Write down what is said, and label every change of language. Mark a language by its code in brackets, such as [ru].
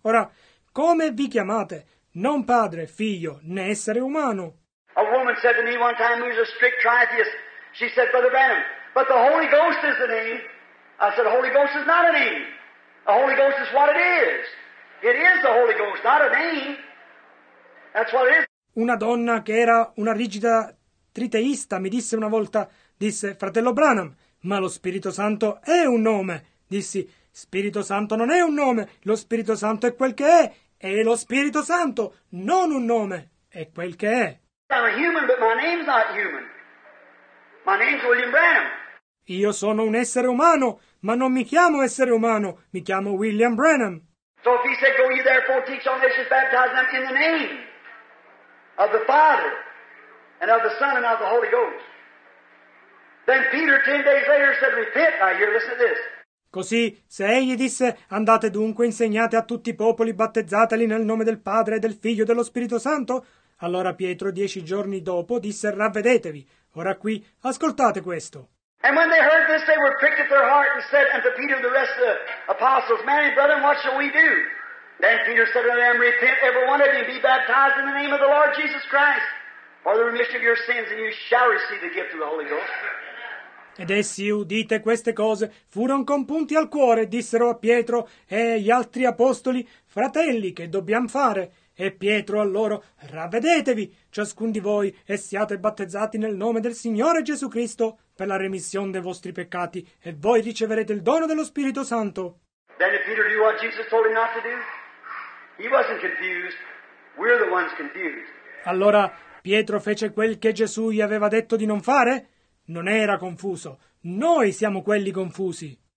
[it] Ora, come vi chiamate? Non padre, figlio, né essere umano. [en] A woman said to me one time, who's a strict tritheist, she said, Brother Branham, but the Holy Ghost is the name. I said, the Holy Ghost is not a name. The Holy Ghost is what it is. It is the Holy Ghost, not a name. That's what it is. [it] Una donna che era una rigida triteista mi disse una volta, disse, fratello Branham, ma lo Spirito Santo è un nome. Dissi, Spirito Santo non è un nome, lo Spirito Santo è quel che è lo Spirito Santo, non un nome, è quel che è. [en] I'm a human, but my name's not human. My name's William Branham. [it] Io sono un essere umano, ma non mi chiamo essere umano, mi chiamo William Branham. [en] So if he said, go ye therefore, teach all nations, baptize them in the name of the Father, and of the Son, and of the Holy Ghost. Then Peter, 10 days later, said, repent. Now here, listen to this. [it] Così, se egli disse, andate dunque, insegnate a tutti i popoli, battezzateli nel nome del Padre, del Figlio e dello Spirito Santo, allora Pietro, 10 giorni dopo, disse, ravvedetevi. Ora qui, ascoltate questo. [en] And when they heard this, they were pricked at their heart and said unto Peter and the rest of the apostles, man and brethren, what shall we do? Then Peter said unto them, repent, every one of you, and be baptized in the name of the Lord Jesus Christ for the remission of your sins, and you shall receive the gift of the Holy Ghost. [it] Ed essi, udite queste cose, furono compunti al cuore, dissero a Pietro e agli altri apostoli, fratelli, che dobbiamo fare? E Pietro a loro, ravvedetevi, ciascun di voi, e siate battezzati nel nome del Signore Gesù Cristo per la remissione dei vostri peccati, e voi riceverete il dono dello Spirito Santo. [en] Then did Peter do what Jesus told him not to do? He wasn't confused. We're the ones confused. [it] Allora Pietro fece quel che Gesù gli aveva detto di non fare? Non era confuso. Noi siamo quelli confusi.